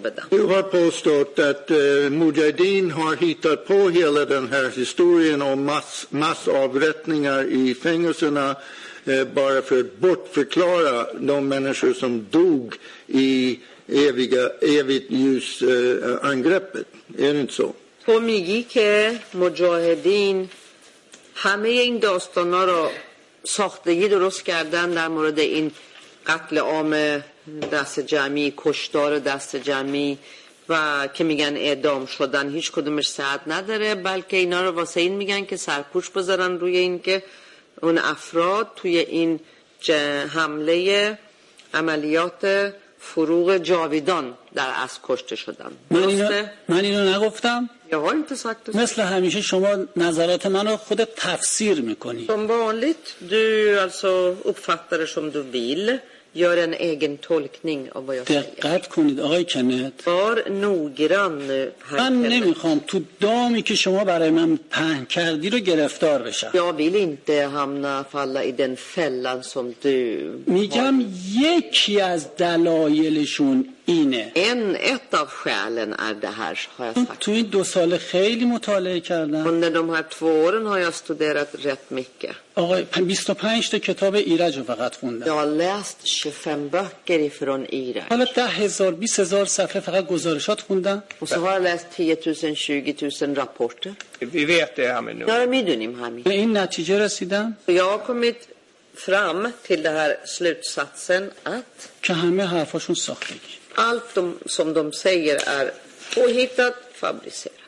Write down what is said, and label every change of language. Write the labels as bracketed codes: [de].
[sv] Du har påstått att Mujahedin har hittat på hela den här historien om massavrättningar i fängelserna bara för att bortförklara de människor som dog i evigt ljus angreppet. Är det inte så? [fa] تو میگی که مجاهدین همه این داستانا رو ساختگی درست کردن در مورد این قتل عام دست جمعی، کشتار دست جمعی و که میگن اعدام شدن هیچ کدومش صحت نداره بلکه اینا رو واسه این میگن که سرپوش بذارن روی این که اون افراد توی این حمله عملیات فروغ جاویدان در از کشته شدن. من اینو نگفتم؟ مثل همیشه شما نظرات منو خود تفسیر میکنی. [sv] Som vanligt du alltså uppfattar det som du vill, gör en egen tolkning av vad jag säger. [fa] دقت کنید آقای کنت. [sv] Var noggrann nu. [fa] من نمیخوام تو دامی که شما برای من پهن کردی رو گرفتار بشم. [sv] Jag vill inte hamna falla i den fällan som du. [fa] میگم یکی از دلایلشون اینه. [sv] ett av skälen är det här har jag sagt. [fa] تو این دو سال خیلی مطالعه کردم. [sv] Under de här två åren har jag studerat rätt mycket. [fa] آقا 25 تا کتاب ایرج رو فقط خوندم. [sv] Jag har läst 25 böcker ifrån Irak. [fa] حالا 10,000 20,000 صفحه فقط گزارشات خوندم. [sv] Och så har jag läst 10,000 20,000 rapporter. Vi vet det Hamid. Jag är medunim Hamid. [fa] این نتیجه رسیدم. [sv] Jag har kommit fram till det här slutsatsen att [fa] که همه حرفاشون ساختگی. [sv] Allt som de säger är påhittat, fabricerat.